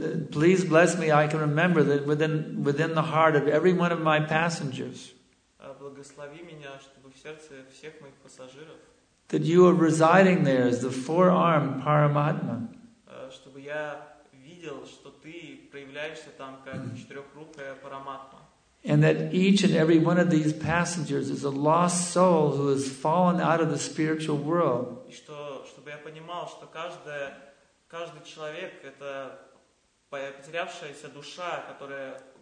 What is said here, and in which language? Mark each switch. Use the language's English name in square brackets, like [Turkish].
[English] Please bless me. I can remember that within the heart of every one of my passengers. [Russian] Благослови меня, чтобы в сердце всех моих пассажиров. [English] That you are residing there as the four-armed Paramatma. [Russian] Чтобы я видел, что ты проявляешься там как четырехрукая Параматма. [English] And that each and every one of these passengers is a lost soul who has fallen out of the spiritual world. [Russian] И что, чтобы я понимал, что каждый человек это потерявшаяся душа, которая